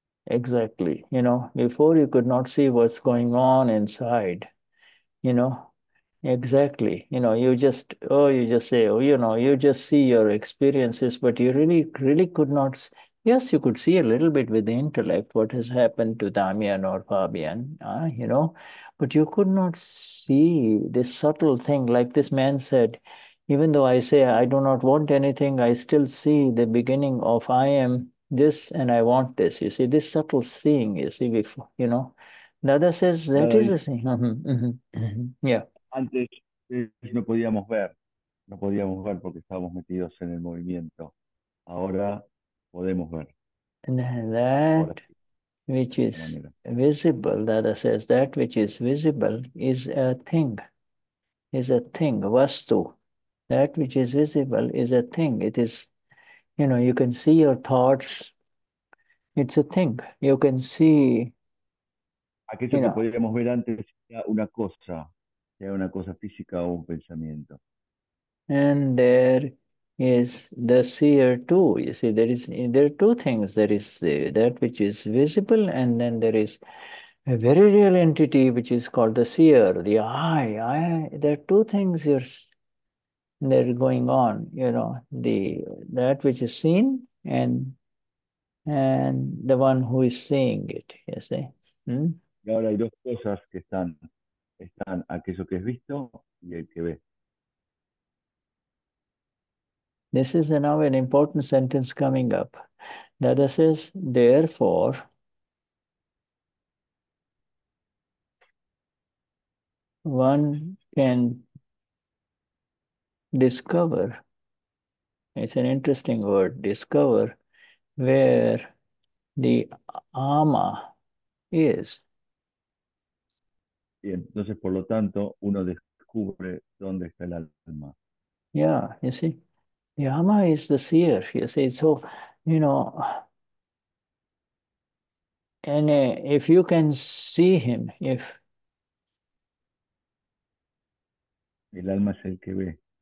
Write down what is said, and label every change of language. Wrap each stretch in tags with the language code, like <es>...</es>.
<en>Exactly, you know, before you could not see what's going on inside, you know, exactly, you know, you just see your experiences, but you really, really could not, yes, you could see a little bit with the intellect what has happened to Damian or Fabian, you know, but you could not see this subtle thing, like this man said, even though I say I do not want anything, I still see the beginning of I am this and I want this. You see, this subtle seeing, you see, before, you know. Dada says that is the thing. Yeah.</en> <es>Antes no podíamos ver porque estábamos metidos en el movimiento. Ahora podemos ver.</es> <en>That which is visible, Dada says, that which is visible is a thing, vastu. That which is visible is a thing. It is, you know, you can see your thoughts. It's a thing. You can see.</en> <es>Aquello que podríamos ver antes era una cosa, sea una cosa física o un pensamiento.</es> <en>And there is the seer too. You see, there are two things. There is that which is visible, and then there is a very real entity which is called the seer, the eye. There are two things here. They're going on, you know, that which is seen and the one who is seeing it, you see.</en> <es>Y ahora hay dos cosas que están aquello que es visto y el que ve.</es> <en>This is now an important sentence coming up. Dada says, therefore, one can discover, it's an interesting word, discover where the ama is.</en> <es>Y entonces, por lo tanto, uno descubre dónde está el alma.</es> <en>Yeah, you see, the ama is the seer, you see, so, you know, and if you can see him, if...</en> <es>El alma es el que ve.</es>